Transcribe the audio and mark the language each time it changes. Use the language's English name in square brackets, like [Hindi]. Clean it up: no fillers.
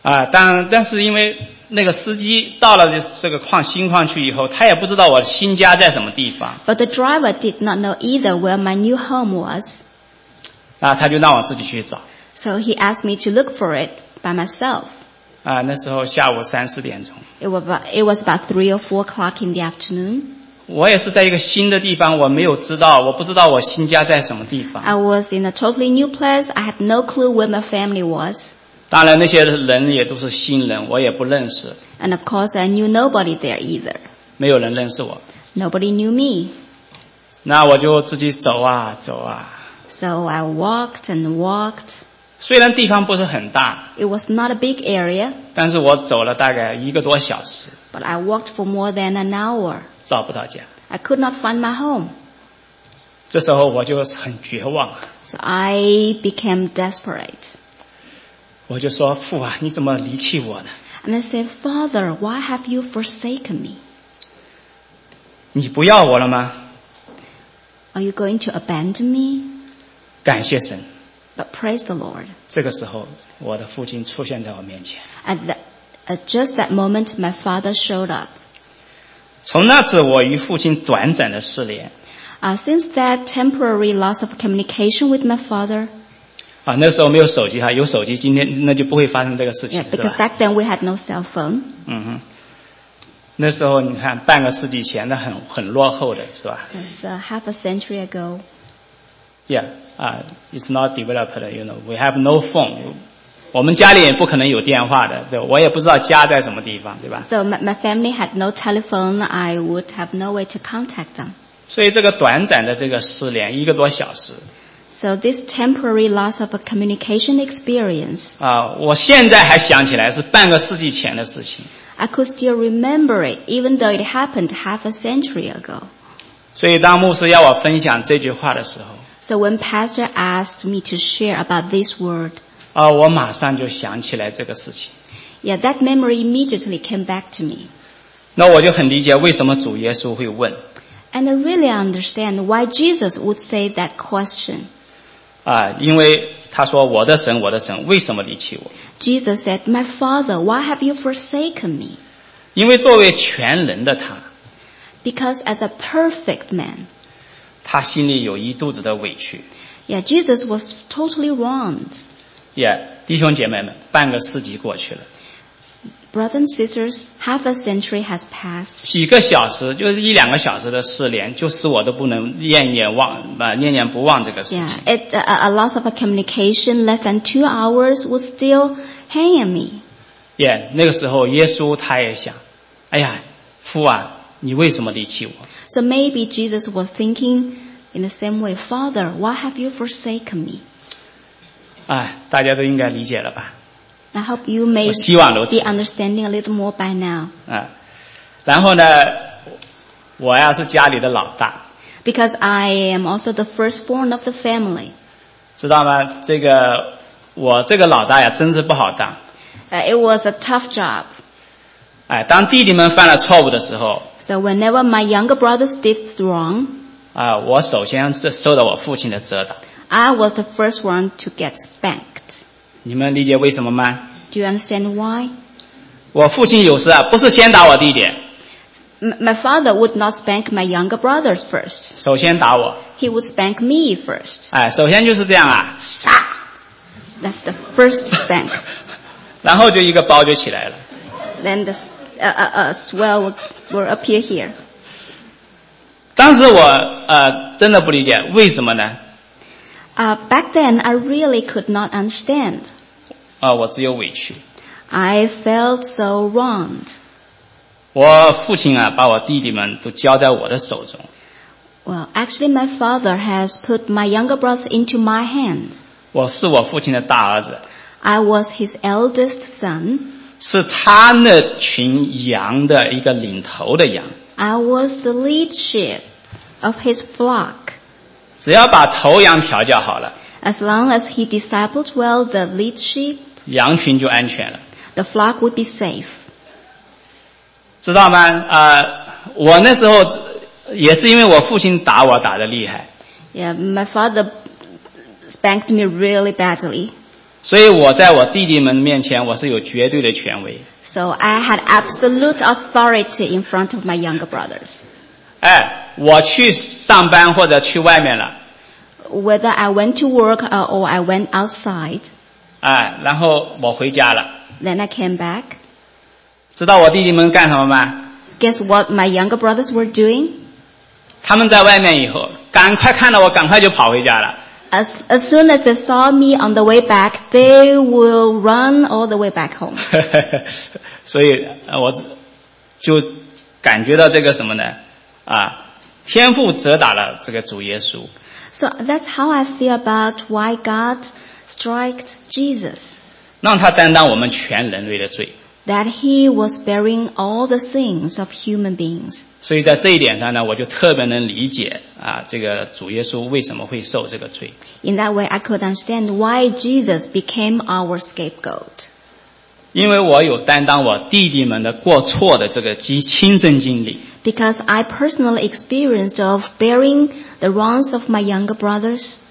[Chinese] 但是因为那个司机到了这个新矿区以后，他也不知道我新家在什么地方。 [English] But the driver did not know either where my new home was. [Chinese] 他就让我自己去找。 [English] So he asked me to look for it by myself. [Chinese] 那时候下午三四点钟。 [English] It was about 3 or 4 o'clock in the afternoon. [Chinese] 我也是在一个新的地方，我没有知道，我不知道我新家在什么地方。 [English] I was in a totally new place. I had no clue where my family was. [Chinese] 当然，那些人也都是新人，我也不认识。 [English] And of course, I knew nobody there either. [Chinese] 没有人认识我。 [English] Nobody knew me. [Chinese] 那我就自己走啊走啊。 [English] So I walked and walked. [Chinese] 虽然地方不是很大。 [English] It was not a big area. [Chinese] 但是我走了大概一个多小时。 [English] But I walked for more than an hour. [Chinese] 找不到家。 [English] I could not find my home. [Chinese] 这时候我就很绝望。 [English] So I became desperate. [Chinese] 我就说，父啊，你怎么离弃我呢？ [English] And I said, Father, why have you forsaken me? [Chinese] 你不要我了吗？ [English] Are you going to abandon me? [Chinese] 感谢神。 [English] But praise the Lord. [Chinese] 这个时候，我的父亲出现在我面前。 [English] At just that moment, my father showed up. [Chinese] 从那次我与父亲短暂的失联。 [English] Since that temporary loss of communication with my father. [Chinese] 那时候没有手机哈，有手机今天那就不会发生这个事情。 [English] Yeah, because back then we had no cell phone. [Chinese] 嗯哼，那时候你看半个世纪前的很落后的是吧 [English] ？It's half a century ago. Yeah, it's not developed. You know, we have no phone. [Chinese] 我们家里也不可能有电话的，对，我也不知道家在什么地方，对吧 [English] ？So my family had no telephone. I would have no way to contact them. [Chinese] 所以这个短暂的这个失联一个多小时。 [English] So this temporary loss of a communication experience. [Chinese] 我现在还想起来是半个世纪前的事情。 [English] I could still remember it, even though it happened half a century ago. [Chinese] 所以当牧师要我分享这句话的时候 [English] ，So when pastor asked me to share about this word. [Chinese] 我马上就想起来这个事情。 [English] Yeah, that memory immediately came back to me. [Chinese] 那我就很理解为什么主耶稣会问。 [English] And I really understand why Jesus would say that question. [Chinese] 因为他说我的神我的神为什么离弃我。 [English] Jesus said, my father, why have you forsaken me? [Chinese] 因为作为全人的他。 [English] Because as a perfect man. [Chinese] 他心里有一肚子的委屈。 [English] Yeah, Jesus was totally wronged. [Chinese] Yeah, 弟兄姐妹们，半个世纪过去了。 [English] Brothers and sisters, half a century has passed. [Chinese] 几个小时，就是一两个小时的失联，就使我都不能念念不忘这个事情。 [English] Yeah, a loss of a communication less than 2 hours would still hang on me. [Chinese] Yeah, 那个时候耶稣他也想，哎呀，父啊，你为什么离弃我？ [English] So maybe Jesus was thinking in the same way, Father, why have you forsaken me? [Chinese] 大家都应该理解了吧。 [English] I hope you may be understanding a little more by now. [Chinese] 然后呢，我呀是家里的老大。 [English] Because I am also the firstborn of the family. [Chinese] 知道吗？这个我这个老大呀，真是不好当。 [English] It was a tough job. [Chinese] 哎，当弟弟们犯了错误的时候。 [English] So whenever my younger brothers did wrong. [Chinese] 啊，我首先是受到我父亲的责打。 [English] I was the first one to get spanked. [Chinese] 你们理解为什么吗？ [English] Do you understand why? [Chinese] 我父亲有时啊，不是先打我弟弟。 [English] My father would not spank my younger brothers first. [Chinese] 首先打我。 [English] He would spank me first. [Chinese] 哎，首先就是这样啊，杀。 [English] That's the first spank. [Chinese] 然后就一个包就起来了。 [English] Then the swell will appear here. [Chinese] 当时我真的不理解为什么呢？ [English] Back then I really could not understand. [Chinese] 我只有委屈。 [English] I felt so wronged. [Chinese] 我父亲啊，把我弟弟们都交在我的手中。 [English] Well, actually, my father has put my younger brothers into my hand. [Chinese] 我是我父亲的大儿子。 [English] I was his eldest son. [Chinese] 是他那群羊的一个领头的羊。 [English] I was the lead sheep of his flock. [Chinese] 只要把头羊调教好了。 [English] As long as he discipled well the lead sheep. [Chinese] 羊群就安全了。 [English] The flock would be safe. [Chinese] 知道吗？我那时候也是因为我父亲打我打得厉害。 [English] Yeah, my father spanked me really badly. [Chinese] 所以我在我弟弟们面前我是有绝对的权威。 [English] So I had absolute authority in front of my younger brothers. [Chinese] 哎，我去上班或者去外面了。 [English] Whether I went to work or I went outside. [Chinese] 哎，然后我回家了。 [English] Then I came back. [Chinese] 知道我弟弟们干什么吗？ [English] Guess what my younger brothers were doing? [Chinese] 他们在外面以后赶快看到我赶快就跑回家了。 [English] As soon as they saw me on the way back, they will run all the way back home. [Chinese] 所以我就感觉到这个什么呢啊，天父责打了这个主耶稣。 [English] So that's how I feel about why God striked Jesus. [Chinese] 让他担当我们全人类的罪。 [English] That he was bearing all the sins of human beings. [Chinese] 所以在这一点上呢，我就特别能理解啊，这个主耶稣为什么会受这个罪。 [English] In that way, I could understand why Jesus became our scapegoat. [Chinese] 因为我有担当我弟弟们的过错的这个亲身经历。 [English] Because I personally experienced of bearing the wrongs of my younger brothers.